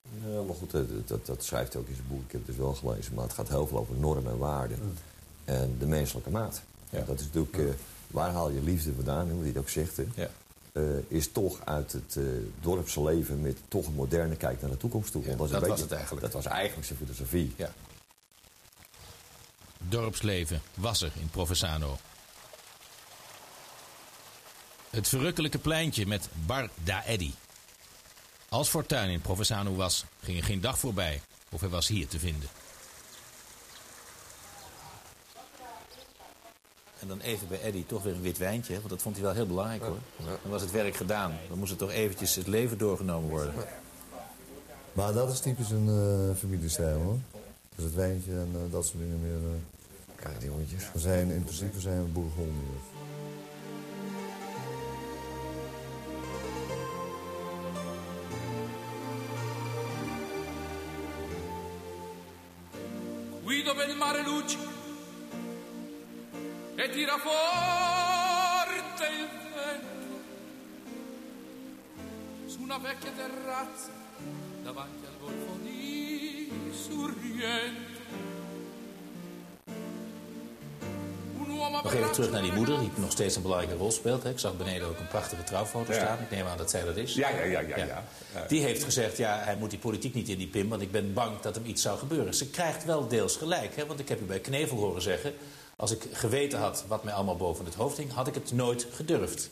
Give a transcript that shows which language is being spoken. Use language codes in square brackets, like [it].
[nl] Ja, maar goed, dat schrijft hij ook in zijn boek. Ik heb het dus wel gelezen, maar het gaat heel veel over normen en waarden. En de menselijke maat. Ja. Dat is natuurlijk, waar haal je liefde vandaan, hoe hij het ook zegt. Ja. Is toch uit het dorpse leven met toch een moderne kijk naar de toekomst toe. Ja, dat was het eigenlijk. Dat was eigenlijk zijn filosofie. Ja. Dorpsleven was er in Provenzano. Het verrukkelijke pleintje met Bar da Eddy. Als Fortuyn in Provenzano was, ging er geen dag voorbij of hij was hier te vinden. En dan even bij Eddy toch weer een wit wijntje, want dat vond hij wel heel belangrijk hoor. Dan was het werk gedaan, dan moest het toch eventjes het leven doorgenomen worden. Maar dat is typisch een familiestijl hoor. Dus het wijntje en dat soort dingen meer. Kijk die hondjes. In principe zijn we boerenhonden. [it] Guido bel mare luce e tira forte il vento su una vecchia terrazza davanti al golfo di Sorrento. [nl] Nog even terug naar die moeder, die nog steeds een belangrijke rol speelt. Ik zag beneden ook een prachtige trouwfoto staan. Ik neem aan dat zij dat is. Ja. Die heeft gezegd, ja, hij moet die politiek niet in die pim, want ik ben bang dat hem iets zou gebeuren. Ze krijgt wel deels gelijk, hè? Want ik heb u bij Knevel horen zeggen, als ik geweten had wat mij allemaal boven het hoofd hing, had ik het nooit gedurfd.